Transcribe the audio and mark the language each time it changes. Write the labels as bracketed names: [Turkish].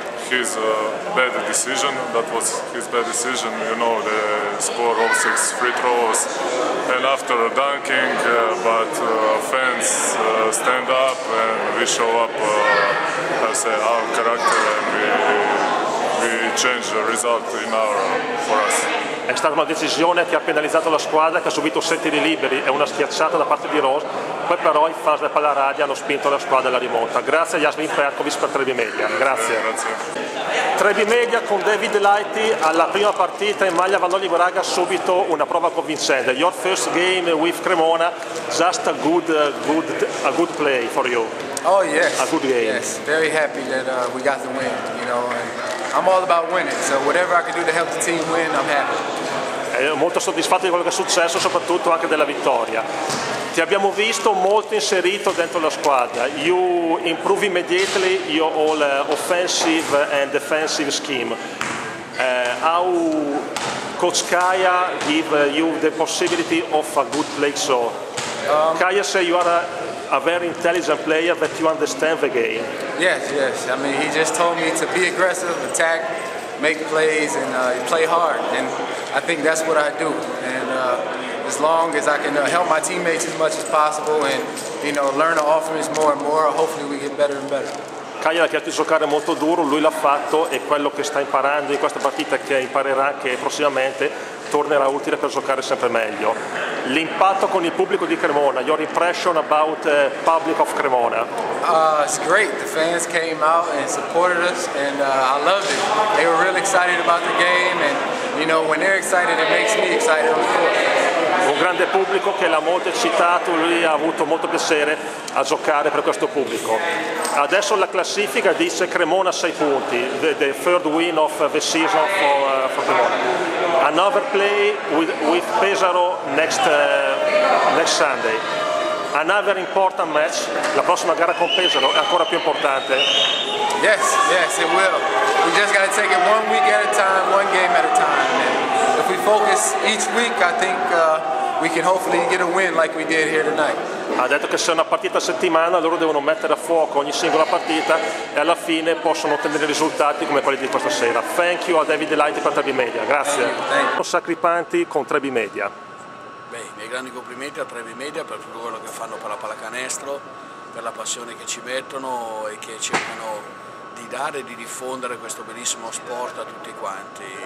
[English] His bad decision, that was his bad decision, you know, the score of 6 free throws and after dunking, but fans stand up and we show up, I say, our character, and we change the result in our for us. [Italian] È stata una decisione che ha penalizzato la squadra, che ha subito 7 di liberi e una schiacciata da parte di Rose, poi però in fase della palla radia hanno spinto la squadra alla rimonta. Grazie a Jasmin Perkovic per 3B Media. Grazie. Grazie. 3B Media con David Lighty alla prima partita in maglia Vanoli Braga, subito una prova convincente. [English] Your first game with Cremona, just a good play for you. Oh yes. A good game. Yes, very happy that we got the win, you know. I'm all about winning, so whatever I can do to help the team win, I'm happy. [Italian] Molto soddisfatto di quello che è successo, soprattutto anche della vittoria. Ti abbiamo visto molto inserito dentro la squadra. [English] You improve immediately your all offensive and defensive scheme. How Coach Kaya give you the possibility of a good play? So Kaya say you are a very intelligent player, that you understand the game. Yes, yes. I mean, he just told me to be aggressive, attack, make plays, and play hard. And I think that's what I do. And as long as I can help my teammates as much as possible and, you know, learn the offense more and more, hopefully we get better and better. [Italian] Kaya ha chiesto di giocare molto duro, lui l'ha fatto, e quello che sta imparando in questa partita, che imparerà che prossimamente tornerà utile per giocare sempre meglio. L'impatto con il pubblico di Cremona, [English] your impression about the public of Cremona? It's great. The fans came out and supported us, and I loved it. They were really excited about the game, and you know, when they're excited, it makes me excited on the court. [Italian] Un grande pubblico che l'ha molto eccitato, lui ha avuto molto piacere a giocare per questo pubblico. Adesso la classifica dice Cremona 6 punti, [English] the third win of the season for Cremona. Another play with Pesaro next Sunday. Another important match, [Italian] la prossima gara con Pesaro è ancora più importante. [English] Yes, yes, it will. We just got to take it one week at a time, one game at a time. And if we focus each week, I think we can hopefully get a win like we did here tonight. [Italian] Ha detto che se è una partita a settimana, loro devono mettere a fuoco ogni singola partita e alla fine possono ottenere risultati come quelli di questa sera. [English] Thank you [Italian] a David Lighty per 3B Media. Grazie. [English] Thank you. [Italian] Sacripanti con 3B Media. Beh, i miei grandi complimenti a 3B Media per tutto quello che fanno per la pallacanestro, per la passione che ci mettono e che cercano di dare e di diffondere questo bellissimo sport a tutti quanti.